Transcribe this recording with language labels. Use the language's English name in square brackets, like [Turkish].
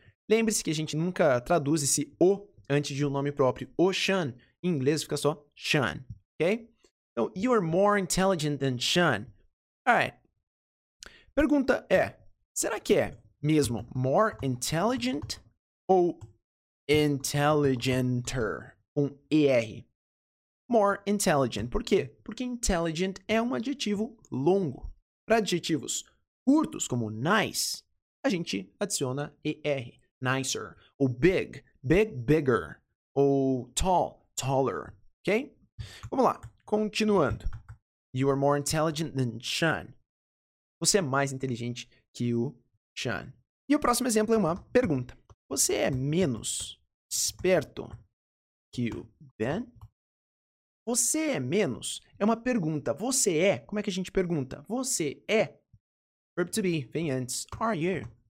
[Portuguese] Lembre-se que a gente nunca traduz esse O antes de um nome próprio. O Sean, em inglês fica só Sean, ok? [English] Então, you're more intelligent than Sean. Alright. [Portuguese] Pergunta é, será que é mesmo more intelligent ou intelligenter? Com ER. More intelligent. Por quê? Porque intelligent é um adjetivo longo. Para adjetivos curtos, como nice, a gente adiciona ER. Nicer. Ou big. Big, bigger. Ou tall. Taller. Ok? Vamos lá. Continuando. [English] You are more intelligent than Sean. [Portuguese] Você é mais inteligente que o Sean. E o próximo exemplo é uma pergunta. Você é menos esperto que o Ben? Você é menos? É uma pergunta. Você é? Como é que a gente pergunta? Você é? Verb to be. Vem antes. Are you?